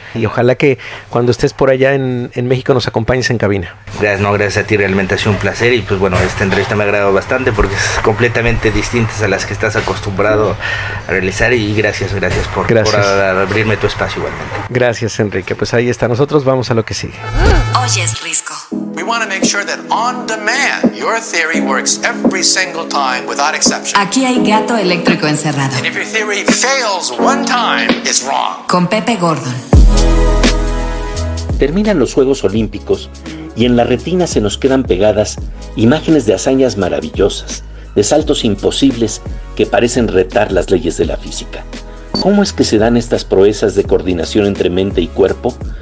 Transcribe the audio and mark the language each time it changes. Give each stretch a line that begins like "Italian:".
Spanish: Y ojalá que cuando estés por allá en México nos acompañes en cabina. Gracias, no, gracias a ti, realmente ha sido un placer. Y pues bueno, esta entrevista me ha agradado bastante porque es completamente distinta a las que estás acostumbrado a realizar. Y gracias por abrirme tu espacio igualmente. Gracias, Enrique. Pues ahí está, nosotros vamos a lo que sigue. Oyes Risco.
English: We want to make sure that on demand your theory works every single time without exception.
Spanish: Aquí hay gato eléctrico encerrado.
English: And if your theory fails one time, it's wrong.
Spanish: Con Pepe Gordon. Terminan los Juegos Olímpicos y en la retina se nos quedan pegadas imágenes de hazañas maravillosas, de saltos imposibles que parecen retar las leyes de la física. ¿Cómo es que se dan estas proezas de coordinación entre mente y cuerpo?